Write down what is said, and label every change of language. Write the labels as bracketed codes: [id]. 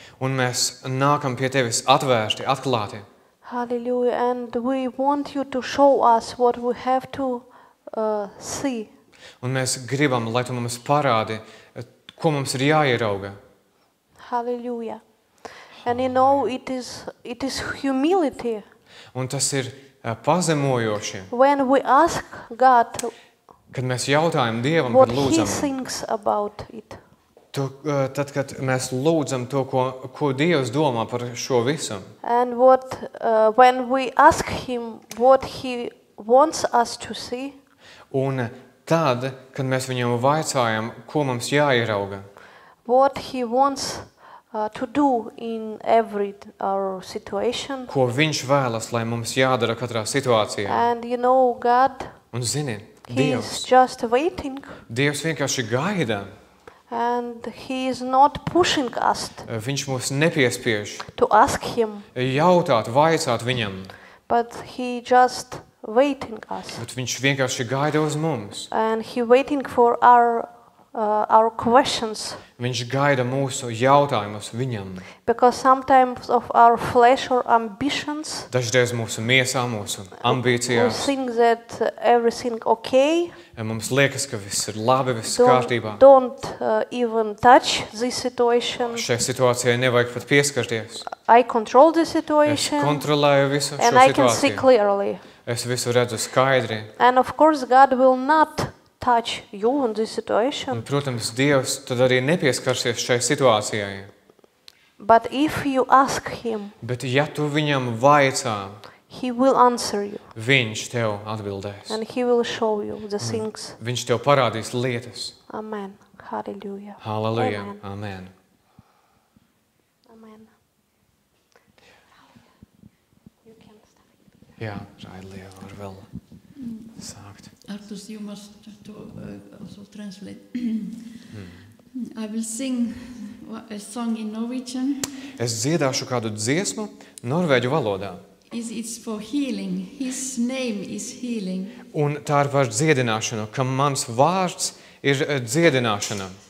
[lv] Un mēs nākam pie tevis atvērti, atklāti. [en] Hallelujah, and we want you to show us what we have to see. [lv] Un mēs gribam, lai tu mums parādi, ko mums ir jāierauga. [en] Hallelujah. And you know, it is humility. [lv] Un tas ir pazemojoši. [en] When we ask God, [lv] kad mēs jautājam Dievam, [en] what [lv] kad lūdzam, [en] he thinks about it. [lv] Tad, kad mēs lūdzam to, ko Dievs domā par šo visu. [en] And what, when we ask him what he wants us to see. [lv] Un tad, kad mēs viņam vaicājam, ko mums jāierauga. [en] What he wants To do in every our situation. [lv] Ko viņš vēlas, lai mums jādara katrā situācijā. [en] And you know God. [lv] Un zini, [en] Dievs. He's just waiting. [lv] Dievs vienkārši gaida. [en] And he is not pushing us. [lv] Viņš mūs nepiespiež. [en] To ask him. [lv] Jautāt, vaicāt viņam. [en] But he just waiting us. [lv] Bet viņš vienkārši gaida uz mums. [en] And he waiting for our questions. [lv] Viņš gaida mūsu jautājumus viņam. [en] Because sometimes of our flesh or ambitions. [lv] Dažreiz mūsu miesā, mūsu ambīcijās. [en] We think that everything okay. [lv] Ja mums liekas, ka viss ir labi, viss kārtībā. [en] Don't even touch this situation. [lv] Šai situācijai nevajag pat pieskarties. [en] I control the situation. [lv] Es kontrolēju visu šo [en] and [lv] situāciju. [en] And I can see clearly. [lv] Es visu redzu skaidri. [en] And of course God will not touch you in this situation. [lv] Un, protams, Dievs tad arī nepieskarsies šai situācijai. [en] But if you ask him, [lv] bet ja tu viņam vaicā, [en] he will answer you. [lv] Viņš tev atbildēs. [en] And he will show you the things. [lv] Viņš tev parādīs lietas. [en] Amen. Hallelujah. Hallelujah. Amen. Amen. [lv] Jā, Raidlija var vēl sākt. [en] Artus, you must to also translate. I will sing a song in Norwegian. [lv] Es dziedāšu kādu dziesmu norvēģu valodā. [en] It's for healing. His name is healing. [lv] Un tā ir par dziedināšanu, ka mans vārds ir dziedināšana.